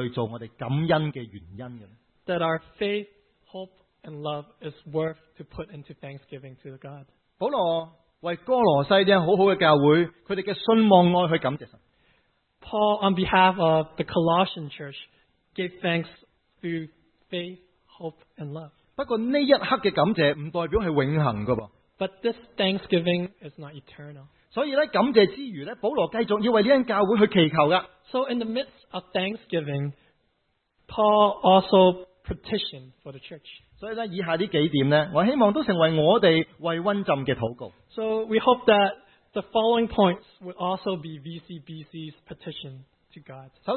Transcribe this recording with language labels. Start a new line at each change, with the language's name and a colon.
Chinese: 我们的信望和爱是否值得拿来做我们感恩的原因呢?
English: That our faith, hope, and love is worth to put into thanksgiving to God.
Chinese: 保罗为哥罗西这样好好的教会,他们的信望爱去感谢神。
English: Paul, on behalf of the Colossian church, gave thanks through faith, hope, and love.
Chinese: 不过这一刻的感谢不代表是永恒的。
English: But this thanksgiving is not eternal.
Chinese: 所以感谢之余,保罗继续要为这间教会去祈求的。
English: So in the midst of thanksgiving, Paul also petition for the church.
Chinese: 所以以下这几点,我希望都成为我们为温浸的祷告。
English: So we hope that the following points would also be VCBC's petition to God.